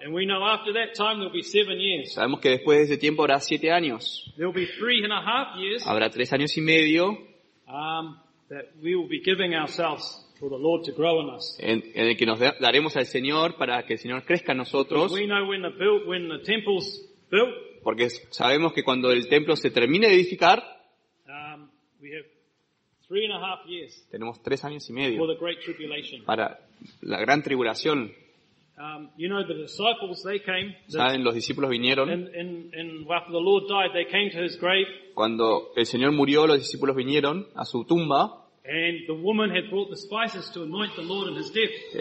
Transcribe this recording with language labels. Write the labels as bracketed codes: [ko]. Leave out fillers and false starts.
[en] And we know after that time there'll be 7 years. [es] Sabemos que después de ese tiempo habrá 7 años. [en] There'll be 3.5 years. [es] Habrá 3 años y medio. [en] That we will be giving ourselves for the Lord to grow in us. [es] En el que nos daremos al Señor para que el Señor crezca en nosotros. [en] Because we know when the temple's built. [es] Porque sabemos que cuando el templo se termine de edificar, [en] we have 3.5 years. [es] Tenemos 3 años y medio. [en] For the great tribulation. [es] Para la gran tribulación. [en] You know the disciples, they came. [es] Saben, los discípulos vinieron. [en] And after the Lord died, they came to his grave. [es] Cuando el Señor murió, los discípulos vinieron a su tumba. [en] And the woman had brought the spices to anoint the Lord in his death.